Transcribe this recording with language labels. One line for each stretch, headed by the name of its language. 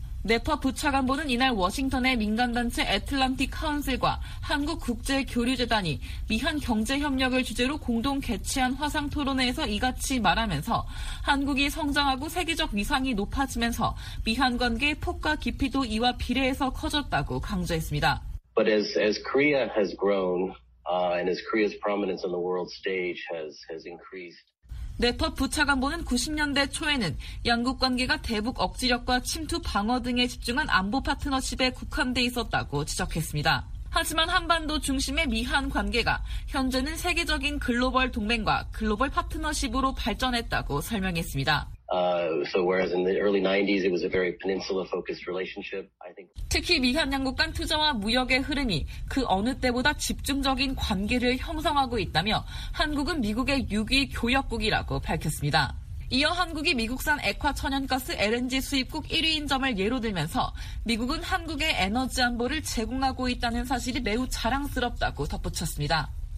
Korean: 네퍼 부차관보는 이날 워싱턴의 민간단체 애틀란틱 카운슬과 한국국제교류재단이 미한 경제협력을 주제로 공동 개최한 화상토론회에서 이같이 말하면서 한국이 성장하고 세계적 위상이 높아지면서 미한 관계의 폭과 깊이도 이와 비례해서 커졌다고 강조했습니다.
English: But as Korea has grown and as Korea's prominence on the world stage has increased.
Korean: 네퍼 부차관보는 90년대 초에는 양국 관계가 대북 억지력과 침투 방어 등에 집중한 안보 파트너십에 국한돼 있었다고 지적했습니다. 하지만 한반도 중심의 미한 관계가 현재는 세계적인 글로벌 동맹과 글로벌 파트너십으로 발전했다고 설명했습니다.
English: So whereas in the early 90s it was a very peninsula focused relationship, I think
Korean: 특히 미한 양국 간 투자와 무역의 흐름이 그 어느 때보다 집중적인 관계를 형성하고 있다며 한국은 미국의 6위 교역국이라고 밝혔습니다. 이어 한국이 미국산 액화천연가스 LNG 수입국 1위인 점을 예로 들면서 미국은 한국의 에너지 안보를 제공하고 있다는 사실이 매우 자랑스럽다고 덧붙였습니다.